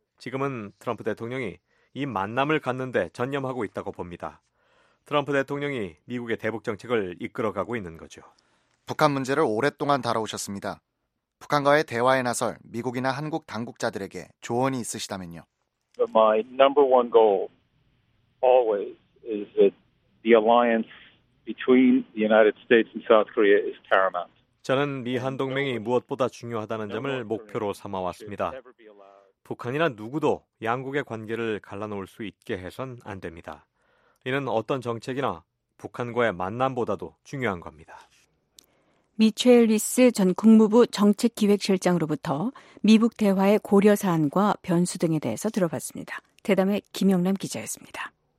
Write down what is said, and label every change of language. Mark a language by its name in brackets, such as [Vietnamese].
[Korean] 지금은 트럼프 대통령이 이 만남을 갖는데 전념하고 있다고 봅니다. 트럼프 대통령이 미국의 대북 정책을 이끌어가고 있는 거죠. 북한 문제를 오랫동안 다뤄오셨습니다. 북한과의 대화에 나설 미국이나 한국 당국자들에게 조언이 있으시다면요. [English] My number one goal always is that the alliance between the United States and South Korea is paramount. [Korean] 저는 미한 동맹이 무엇보다 중요하다는 점을 목표로 삼아왔습니다. 북한이나 누구도 양국의 관계를 갈라놓을 수 있게 해선 안 됩니다. 이는 어떤 정책이나 북한과의 만남보다도 중요한 겁니다. 미첼 리스 전 국무부 정책기획실장으로부터 미북 대화의 고려사안과 변수 등에 대해서 들어봤습니다. 대담의 김영남 기자였습니다.